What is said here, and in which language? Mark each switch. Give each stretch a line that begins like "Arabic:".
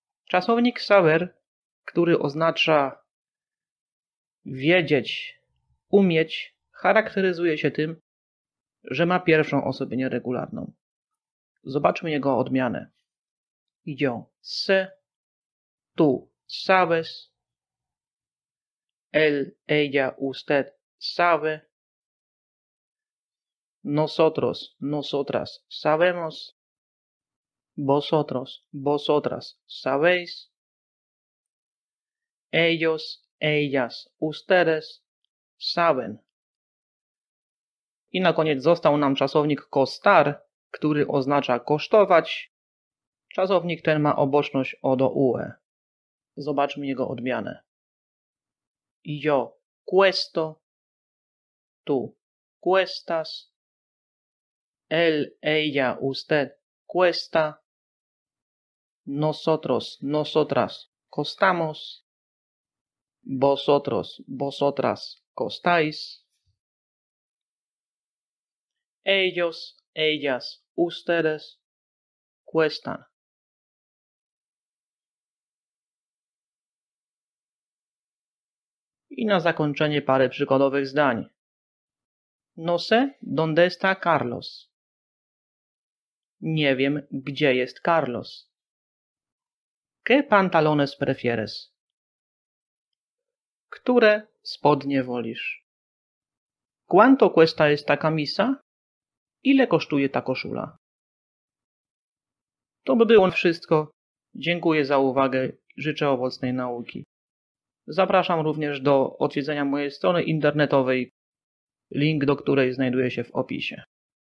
Polish: Czasownik saber, który oznacza wiedzieć, umieć, charakteryzuje się tym, że ma pierwszą osobę nieregularną. Zobaczmy jego odmianę.
Spanish: Yo sé, tú sabes, él, ella, usted sabe, nosotros, nosotras sabemos, vosotros, vosotras sabéis, ellos, ellas, ustedes saben.
Polish: I na koniec został nam czasownik costar, który oznacza kosztować. Czasownik ten ma oboczność o do ue. Zobaczmy jego odmianę.
Spanish: Yo cuesto. Tu cuestas. Él, ella, usted cuesta. Nosotros, nosotras costamos. Vosotros, vosotras costáis. Ellos, ellas, ustedes cuestan.
Polish: I na zakończenie parę przykładowych zdań.
Spanish: No sé, dónde está Carlos.
Polish: Nie wiem, gdzie jest Carlos.
Spanish: ¿Qué pantalones prefieres?
Polish: Które spodnie wolisz?
Spanish: ¿Cuánto cuesta esta camisa?
Polish: Ile kosztuje ta koszula? To by było wszystko. Dziękuję za uwagę. Życzę owocnej nauki. Zapraszam również do odwiedzenia mojej strony internetowej, link do której znajduje się w opisie.